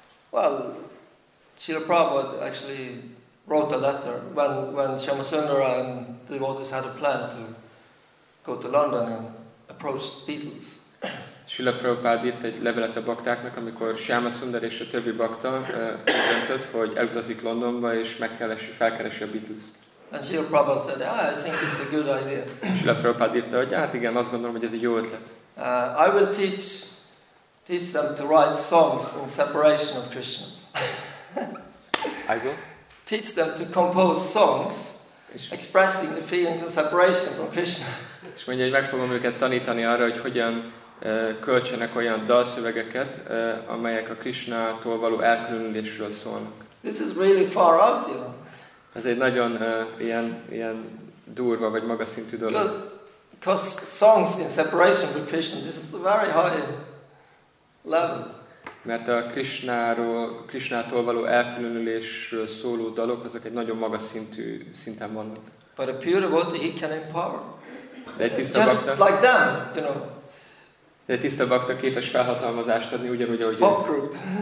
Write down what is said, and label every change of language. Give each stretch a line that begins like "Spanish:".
English: Well, Srila Prabhupada actually wrote a letter when Shyamasundara and the devotees had a plan to go to London and approach Beatles.
Hungarian: Srila Prabhupada írt egy levelet a baktáknak, amikor Shyamasundara és a többi bakta döntött, hogy elutazik Londonba és felkeresi a Beatles-t.
English: And Srila Prabhupada said, I think it's a good idea.
Hungarian: Srila Prabhupada írta, hogy hát igen, azt gondolom, hogy ez egy jó ötlet.
English: I will teach them to write songs in separation of Krishna. I will teach them to compose songs expressing the feeling of separation from Krishna.
Hungarian: És mondja, hogy meg fogom őket tanítani arra, hogy hogyan költsenek olyan dalszövegeket, amelyek a Krishnától való elkülönülésről szólnak.
English: This is really far out, you know.
Hungarian: Ez egy nagyon ilyen durva vagy magas szintű dolog.
English: Because songs in separation from Krishna, this is a very high level.
Hungarian: Mert a Krishnától való elkülönülésről szóló dalok, azok egy nagyon magas szinten vannak.
English: But a pure devotee, he can empower.
Hungarian: De egy tiszta
English: just
Hungarian: bakta,
English: like them, you know.
Hungarian: De egy tiszta bakta képes felhatalmazást adni, ugyanúgy, ahogy
English: pop group.